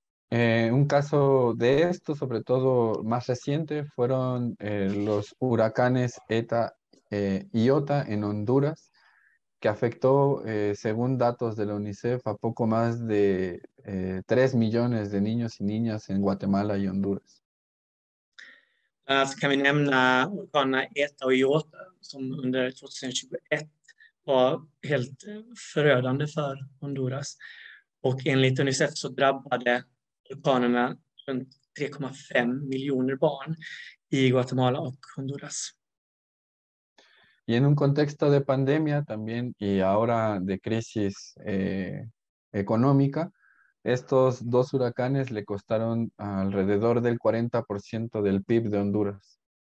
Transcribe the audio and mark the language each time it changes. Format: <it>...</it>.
<es>Un caso de esto, sobre todo más reciente, fueron los huracanes Eta y Iota en Honduras, que afectó, según datos de la UNICEF, a poco más de 3 millones de niños y niñas en Guatemala y Honduras.</es> <sv>Kan vi nämna orkanerna Eta och Iota som under 2021 var helt förödande för Honduras. Och enligt UNICEF så drabbade orkanerna runt 3,5 miljoner barn i Guatemala och Honduras.</sv> <es>Y en un contexto de pandemia también y ahora de crisis económica, estos dos huracanes le costaron alrededor del 40% del PIB de Honduras.</es>